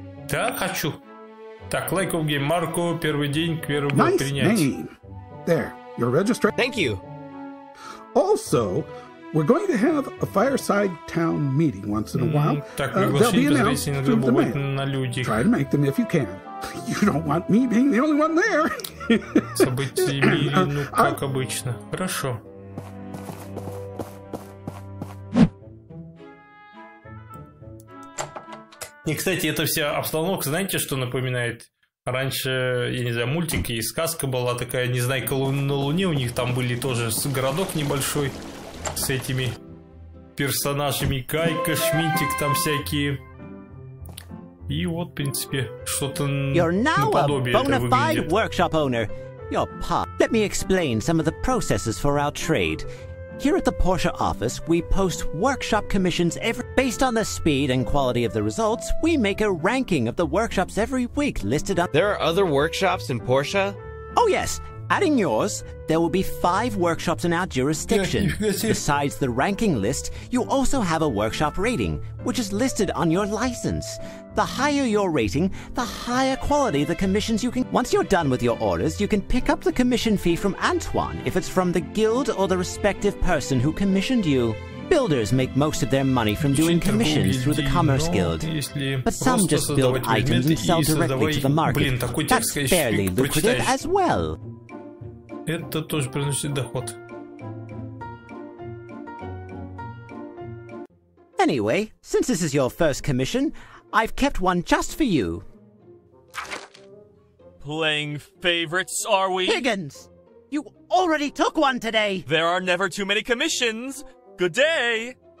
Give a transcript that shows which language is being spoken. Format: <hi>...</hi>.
<ru>Да, хочу. Так,</ru> <en>Like of Game,</en> <ru>Марко, первый день, к первому</ru> <en>nice</en> <ru>принять.</ru> <en>Nice name. There, you're registered. Thank you. Also, we're going to have a fireside town meeting once in a while.</en> <ru>Так, приглашение, посмотрите, иногда бывает на людях.</ru> <en>Try to make them if you can. You don't want me being the only one there.</en> <ru>События мире, ну как обычно. Хорошо. И, кстати, эта вся обстановка, знаете, что напоминает? Раньше, я не знаю, мультики и сказка была такая, не знаю, на Луне у них там были тоже городок небольшой с этими персонажами. Кайка, Шминтик там всякие. И вот, в принципе, что-то наподобие это выглядит.</ru> <en>Workshop owner. Your pop. Let me explain some of the processes for our trade. Here at the Porsche office, we post workshop commissions every... Based on the speed and quality of the results, we make a ranking of the workshops every week listed on... There are other workshops in Porsche? Oh yes, adding yours, there will be 5 workshops in our jurisdiction. Besides the ranking list, you also have a workshop rating, which is listed on your license. The higher your rating, the higher quality the commissions you can... Once you're done with your orders, you can pick up the commission fee from Antoine if it's from the guild or the respective person who commissioned you. Builders make most of their money from doing commissions through the Commerce Guild. But some just build items and sell directly to the market. That's fairly lucrative as well.</en> <ru>Это тоже приносит доход.</ru> <en>Anyway, since this is your first commission, I've kept one just for you. Playing favorites, are we? Higgins! You already took one today! There are never too many commissions! Good day!</en>